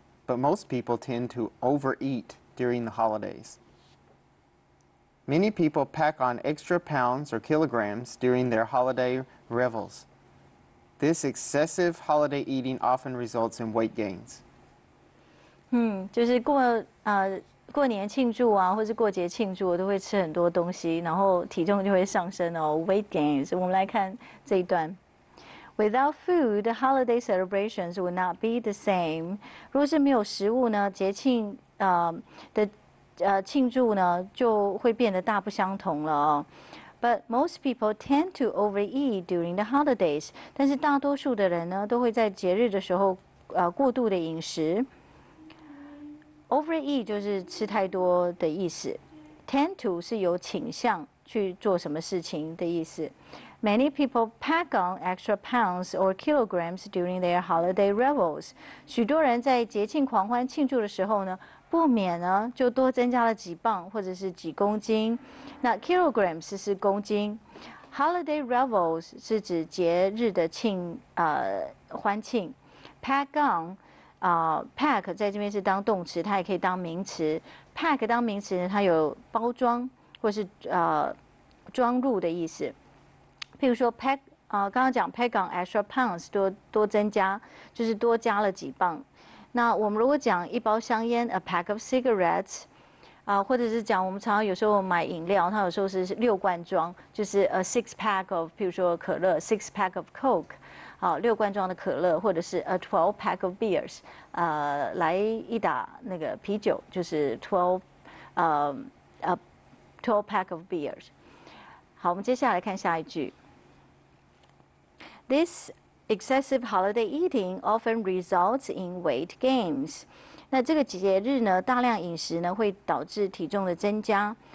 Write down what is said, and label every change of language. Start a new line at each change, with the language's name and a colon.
English: But most people tend to overeat during the holidays. Many people pack on extra pounds or kilograms during their holiday revels. This excessive holiday eating often results in weight gains.
Chinese: 就是过年庆祝啊，或是过节庆祝，我都会吃很多东西，然后体重就会上升哦。 Weight gains. 我们来看这一段。
English: Without food, the holiday celebrations would not be the same.
Chinese: 如果是没有食物呢，节庆的庆祝呢就会变得大不相同了、哦、 But most people tend to overeat during the holidays. 但是大多数的人呢都会在节日的时候过度的饮食。 Overeat 就是吃太多的意思。Tend to 是有倾向去做什么事情的意思。
English: Many people pack on extra pounds or kilograms during their holiday revels.
Chinese: 许多人在节庆狂欢庆祝的时候呢不免呢就多增加了几磅或者是几公斤。那 kilograms 是公斤。Holiday revels 是指节日的欢庆。 Pack on, pack 在这边是当动词，它也可以当名词。 Pack 当名词呢，它有包装或是装入的意思。譬如说 pack, 刚刚讲 pack on extra pounds, 多增加，就是多加了几磅。那我们如果讲一包香烟 ， a pack of cigarettes，或者是讲我们常常有时候买饮料，它有时候是六罐装，就是 a six pack of，譬如说可乐 ， six pack of coke，六罐装的可乐，或者是 a 12 pack of beers，来一打那个啤酒，就是 12 pack of beers。好，我们接下来看下一句。
English: This excessive holiday eating often results in weight gains.
Chinese: 那这个节日呢，大量饮食呢会导致体重的增加。